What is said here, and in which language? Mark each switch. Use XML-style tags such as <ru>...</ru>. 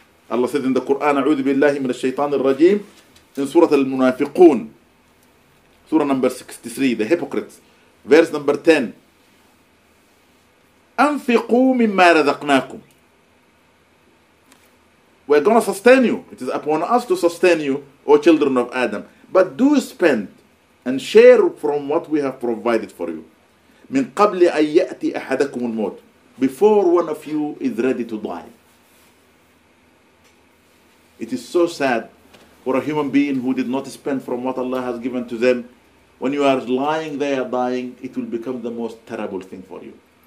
<en>Allah said in the Quran,</en> <ar>أعوذ بالله من الشيطان الرجيم,</ar> <en>in Surah Al-Munafiqun, Surah number 63, the hypocrites, verse number 10.</en> <ar>أنفقوا مما رزقناكم.</ar> <en>We're going to sustain you. It is upon us to sustain you, O children of Adam. But do spend and share from what we have provided for you.</en> <ar>من قبل أن يأتي أحدكم الموت.</ar> <en>Before one of you is ready to die. It is so sad for a human being who did not spend from what Allah has given to them. When you are lying there dying, it will become the most terrible thing for you.</en>